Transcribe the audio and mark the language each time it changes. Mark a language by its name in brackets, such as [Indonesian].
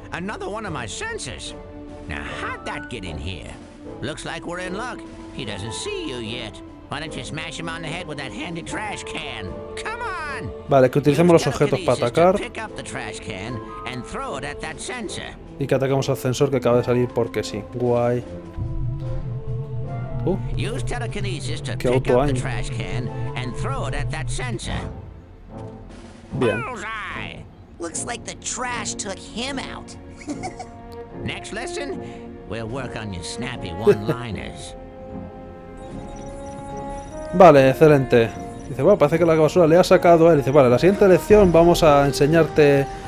[English] Another one of my senses! Now how'd that get in here? Looks like we're in luck. He doesn't see you yet. Why don't you smash him on the head with that handy trash can? Come on! [Spanish] Vale, que utilicemos los objetos para atacar. [English] Pick up the trash can and throw it at that sensor. [Spanish] Y que ataquemos al sensor que acaba de salir porque sí. Guay. [English] Use telekinesis to pick up the trash can and throw it at that sensor. [Spanish] Bien. [English] Bullseye! Looks like the trash took him out. Next lesson, we'll work on your snappy one-liners. [Spanish] Vale, excelente. Dice, bueno, parece que la basura le ha sacado a él. Dice, vale, la siguiente lección vamos a enseñarte...